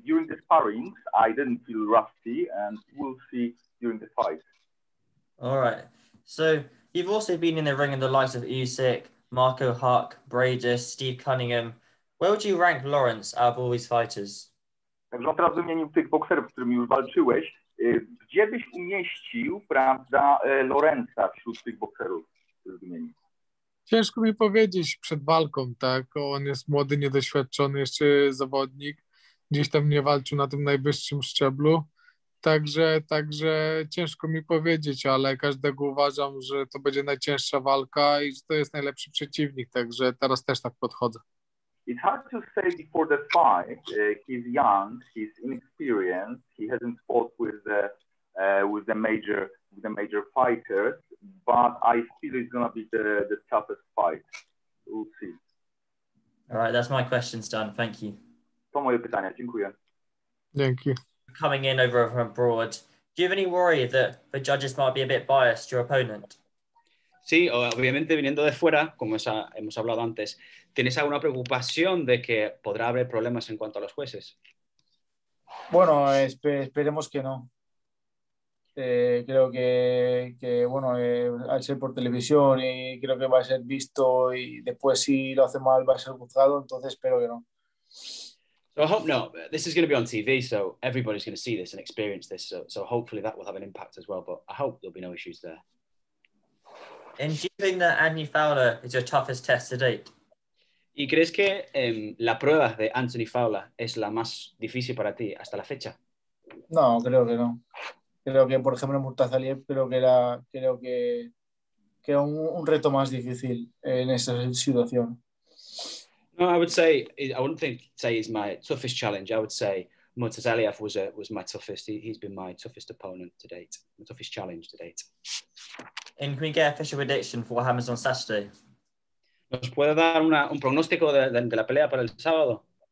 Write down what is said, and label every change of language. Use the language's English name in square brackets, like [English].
[English] During the sparings, I didn't feel rusty, and we'll see during the fight. All right. So you've also been in the ring in the likes of Usyk, Marco Huck, Bradus, Steve Cunningham. Where would you rank Lawrence out of all these fighters? [Polish] Także teraz w imieniu tych bokserów, z którymi już walczyłeś, gdzie byś umieścił, prawda, Lorenza wśród tych bokserów? Ciężko mi powiedzieć przed walką, tak? On jest młody, niedoświadczony jeszcze zawodnik. Gdzieś tam nie walczył na tym najwyższym szczeblu. Także ciężko mi powiedzieć, ale każdego uważam, że to będzie najcięższa walka i że to jest najlepszy przeciwnik, także teraz też tak podchodzę. [English] It's hard to say before the fight. He's young, he's inexperienced, he hasn't fought with the major fighters, but I feel it's gonna be the toughest fight. We'll see. All right, that's my question, Stan. Thank you. [Polish] To moje pytania. Dziękuję. [English] Thank you. Coming in over from abroad, do you have any worry that the judges might be a bit biased, your opponent? [Spanish] Sí, obviamente viniendo de fuera, como hemos hablado antes, ¿tienes alguna preocupación de que podrá haber problemas en cuanto a los jueces? Bueno, esperemos que no. Creo que al ser por televisión y creo que va a ser visto y después si lo hace mal va a ser juzgado, entonces espero que no. [English] So I hope not. This is going to be on TV, so everybody's going to see this and experience this. So hopefully that will have an impact as well, but I hope there'll be no issues there. And do you think that Anthony Fowler is your toughest test to date? [Spanish] ¿Y crees que la prueba de Anthony Fowler es la más difícil para ti hasta la fecha? No, creo que no. Creo que, por ejemplo, Murtaza Aliyev, creo que era un reto más difícil en esa situación. [English] No, I would say, I wouldn't think say he's my toughest challenge. I would say Murtaza Aliyev was my toughest. He's been my toughest opponent to date, my toughest challenge to date. And can we get an official prediction for what happens on Saturday? [Spanish] ¿Nos puede dar un pronóstico de la pelea para el sábado?